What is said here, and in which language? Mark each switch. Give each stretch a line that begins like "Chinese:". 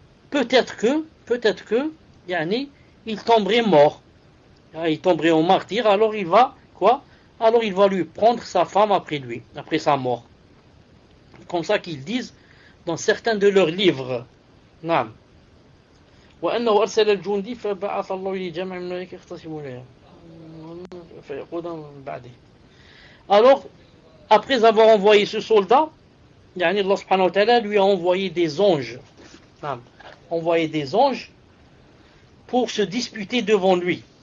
French: Peut-être que, yani, il tomberait mort. Il tomberait au martyr, alors il va, quoi? Alors il va lui prendre sa femme après lui, après sa mort. Comme ça qu'ils disent dans certains de leurs livres. Non.
Arabic: وأنه أرسل الجندي فبعث الله لجمع من الملائكة يختصمون لها فيقودهم بعده.
French: Alors, après avoir envoyé ce soldat,
Arabic: يعني الله سبحانه وتعالى
French: lui a envoyé des anges.
Arabic: نعم.
French: Envoyé des anges pour se disputer devant lui.